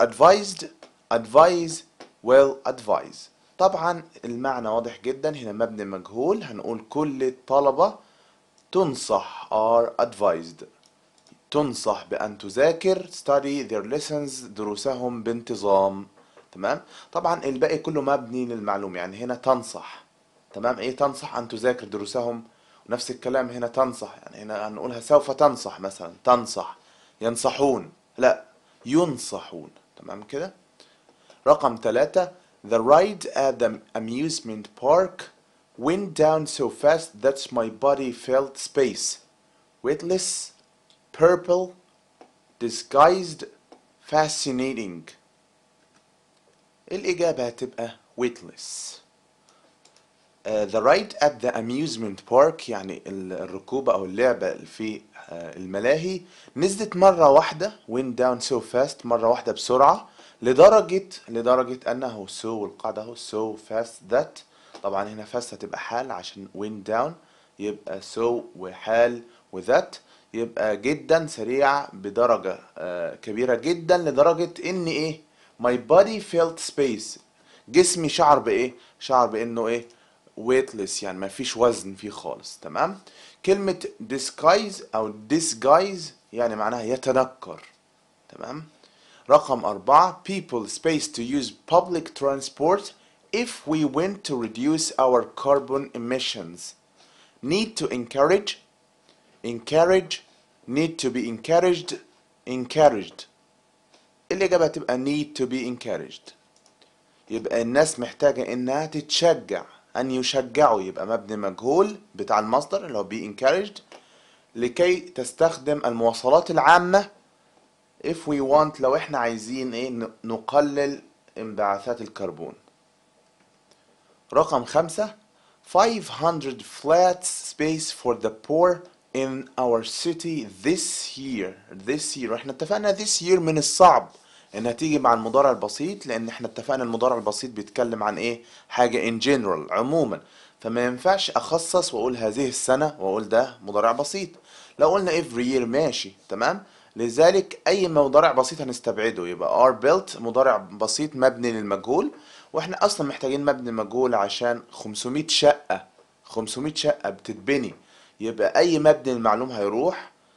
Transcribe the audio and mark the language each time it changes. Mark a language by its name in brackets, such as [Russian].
[English] Are advised, well advised. [Arabic] طبعا المعنى واضح جدا، هنا مبني مجهول، هنقول كل الطلبة تنصح [English] are advised. [Arabic] تنصح بأن تذاكر [English] study their lessons [Arabic] دروسهم بانتظام. تمام، طبعا الباقي كله مبني للمعلوم، يعني هنا تنصح. تمام، ايه تنصح؟ أن تذاكر دروسهم. ونفس الكلام هنا تنصح، يعني هنا هنقولها سوف تنصح مثلا، تنصح، ينصحون، لا ينصحون. تمام كده. رقم 3. [English] The ride at the amusement park went down so fast that my body felt space weightless. Purple, disguised, fascinating. [Arabic] الإجابة هتبقى weightless. [English] The ride at the amusement park [Arabic] يعني الركوب أو اللعبة في الملاهي نزلت مرة واحدة [English] went down so fast [Arabic] مرة واحدة بسرعة لدرجة أنه so والقاعدة هو [English] so fast that. [Arabic] طبعا هنا fast هتبقى حال عشان [English] went down [Arabic] يبقى so وحال وthat يبقى جدا سريع بدرجة كبيرة جدا لدرجة ان ايه [English] my body felt space [Arabic] جسمي شعر بايه شعر بانه ايه weightless يعني ما فيش وزن فيه خالص. تمام، كلمة disguise او disguise يعني معناها يتنكر. تمام، رقم 4. [English] People space to use public transport if we want to reduce our carbon emissions. Need to encourage, need to be encouraged, encouraged. [Arabic] الإجابة تبقى [English] need to be encouraged. [Arabic] يبقى الناس محتاجة إنها تتشجع، أن يشجعوا يبقى مبني مجهول بتاع المصدر اللي هو be encouraged، لكي تستخدم المواصلات العامة. [English] If we want، [Arabic] لو إحنا عايزين إيه نقلل انبعاثات الكربون. رقم 5. [English] 500 flats space for the poor in our city this year. [Arabic] احنا اتفقنا [English] this year [Arabic] من الصعب انها تيجي مع المضارع البسيط، لان احنا اتفقنا المضارع البسيط بيتكلم عن ايه حاجة [English] in general [Arabic] عموما، فما ينفعش اخصص واقول هذه السنة واقول ده مضارع بسيط. لو قلنا [English] every year [Arabic] ماشي تمام، لذلك اي مضارع بسيط هنستبعده، يبقى [English] are built [Arabic] مضارع بسيط مبني للمجهول، واحنا اصلا محتاجين مبني مجهول عشان 500 شقة بتتبني، يبقى أي مبني للمعلوم هيروح.